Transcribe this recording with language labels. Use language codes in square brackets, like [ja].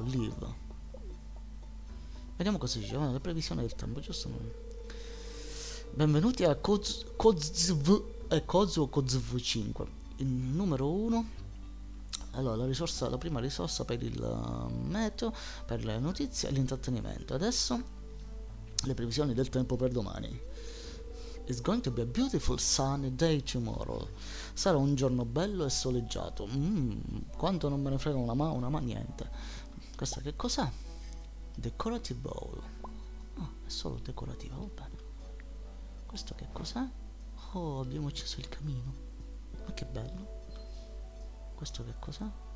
[it] Live, vediamo cosa dice. Le previsioni del tempo, giusto? Benvenuti a Kozv e Kozu Kozv 5. Il numero 1. Allora, la prima risorsa per il meteo, per le notizie e l'intrattenimento. Adesso le previsioni del tempo per domani. [en] It's going to be a beautiful sunny day tomorrow. [it] Sarà un giorno bello e soleggiato. Quanto non me ne frega una ma niente. Questa che cos'è? Decorative bowl. Ah, è solo decorativo, va bene. Questo che cos'è? Oh, abbiamo acceso il camino. Ma che bello. Questo che cos'è?